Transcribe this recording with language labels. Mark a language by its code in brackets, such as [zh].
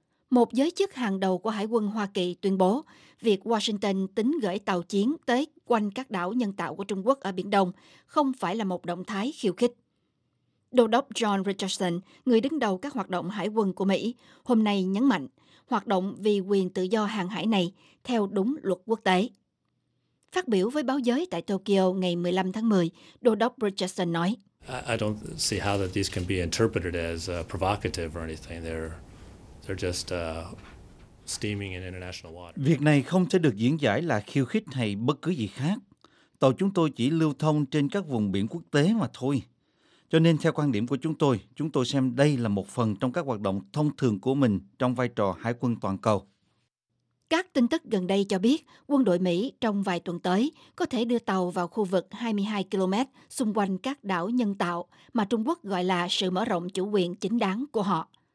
[vi] Một giới chức hàng đầu của Hải quân Hoa Kỳ tuyên bố việc Washington tính gửi tàu chiến tới quanh các đảo nhân tạo của Trung Quốc ở Biển Đông không phải là một động thái khiêu khích. Đô đốc John Richardson, người đứng đầu các hoạt động hải quân của Mỹ, hôm nay nhấn mạnh hoạt động vì quyền tự do hàng hải này theo đúng luật quốc tế. Phát biểu với báo giới tại Tokyo ngày 15 tháng 10, Đô đốc Richardson nói: [en] I don't see how that these can be interpreted as provocative or anything. They're just steaming in international water. [vi] Việc này không thể được diễn giải là khiêu khích hay bất cứ gì khác. Tàu chúng tôi chỉ lưu thông trên các vùng biển quốc tế mà thôi. Cho nên theo quan điểm của chúng tôi xem đây là một phần trong các hoạt động thông thường của mình trong vai trò hải quân toàn cầu. Các tin tức gần đây cho biết, quân đội Mỹ trong vài tuần tới có thể đưa tàu vào khu vực 22 km xung quanh các đảo nhân tạo mà Trung Quốc gọi là sự mở rộng chủ quyền chính đáng của họ.